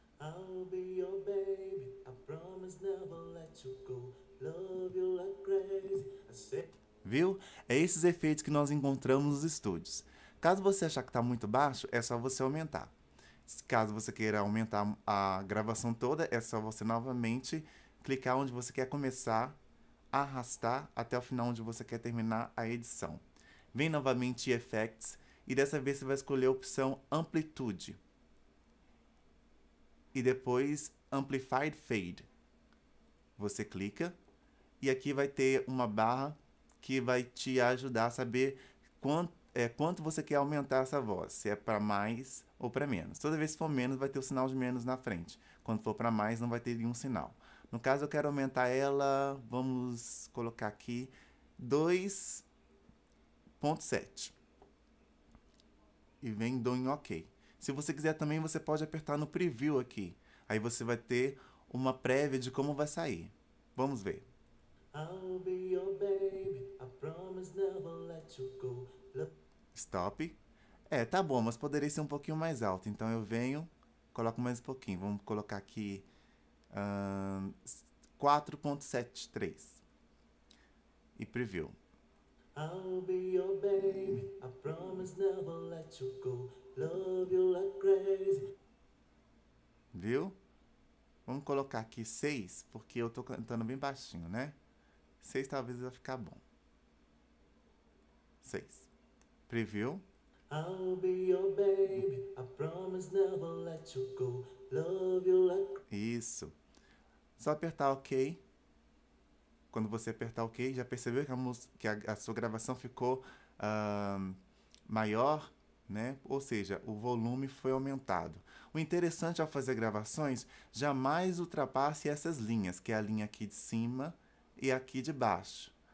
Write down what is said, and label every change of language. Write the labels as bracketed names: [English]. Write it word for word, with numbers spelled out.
[English] I'll be your baby, I promise never let you go. Love you like crazy, I say- [Portuguese] Viu? É esses efeitos que nós encontramos nos estúdios. Caso você achar que está muito baixo, é só você aumentar. Se- Caso você queira aumentar a gravação toda, é só você novamente clicar onde você quer começar, arrastar até o final onde você quer terminar a edição. Vem novamente em Effects e dessa vez você vai escolher a opção Amplitude e depois Amplified Fade. Você clica e aqui vai ter uma barra que vai te ajudar a saber quanto, é, quanto você quer aumentar essa voz, se é para mais ou para menos. Toda vez que for menos, vai ter o sinal de menos na frente. Quando for para mais, não vai ter nenhum sinal. No caso, eu quero aumentar ela, vamos colocar aqui dois ponto sete e vem dou em OK. Se você quiser também, você pode apertar no preview aqui. Aí você vai ter uma prévia de como vai sair. Vamos ver. [English] I'll be your baby, I promise never let you go. Lo- Stop. [Portuguese] É, tá bom, mas poderia ser um pouquinho mais alto. Então eu venho, coloco mais um pouquinho. Vamos colocar aqui ahn, quatro ponto setenta e três e preview. [English] I'll be your baby, I promise never let you go. Love you like crazy. [Portuguese] Viu? Vamos colocar aqui seis, porque eu tô cantando bem baixinho, né? seis talvez vai ficar bom. seis. Preview. [English] I'll be your baby, I promise never let you go. Love you like... [Portuguese] Isso. Só apertar OK. Quando você apertar OK, já percebeu que a, mus- que a- a sua gravação ficou ahn, maior, né? Ou seja, o volume foi aumentado. O interessante ao fazer gravações, jamais ultrapasse essas linhas, que é a linha aqui de cima e aqui de baixo.